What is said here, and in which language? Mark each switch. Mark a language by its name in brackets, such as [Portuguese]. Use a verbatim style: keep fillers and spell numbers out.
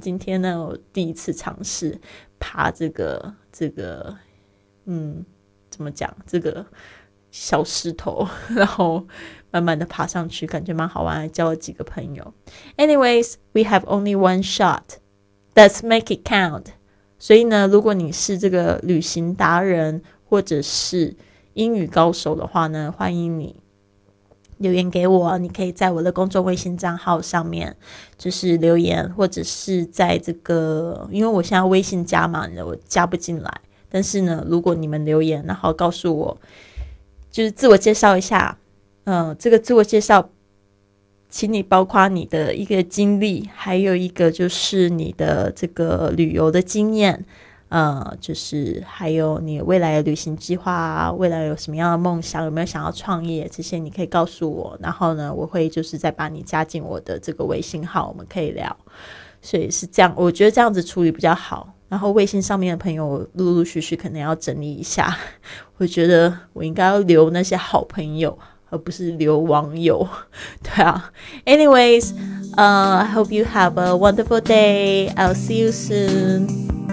[Chinese] 今天呢，我第一次尝试爬这个这个，嗯，怎么讲这个小石头，然后慢慢的爬上去，感觉蛮好玩，还交了几个朋友。 [English] Anyways, we have only one shot. Let's make it count. [Chinese] 所以呢，如果你是这个旅行达人或者是英语高手的话呢，欢迎你留言给我，你可以在我的公众微信账号上面就是留言，或者是在这个，因为我现在微信加满了，我加不进来，但是呢，如果你们留言然后告诉我，就是自我介绍一下，嗯、呃，这个自我介绍请你包括你的一个经历，还有一个就是你的这个旅游的经验，呃，就是还有你未来的旅行计划啊，未来有什么样的梦想，有没有想要创业，这些你可以告诉我，然后呢，我会就是再把你加进我的这个微信号，我们可以聊。所以是这样，我觉得这样子处理比较好。然后微信上面的朋友，我陆陆续续可能要整理一下，我觉得我应该要留那些好朋友，而不是留网友。对啊 [English] Anyways, uh, I hope you have a wonderful day. I'll see you soon.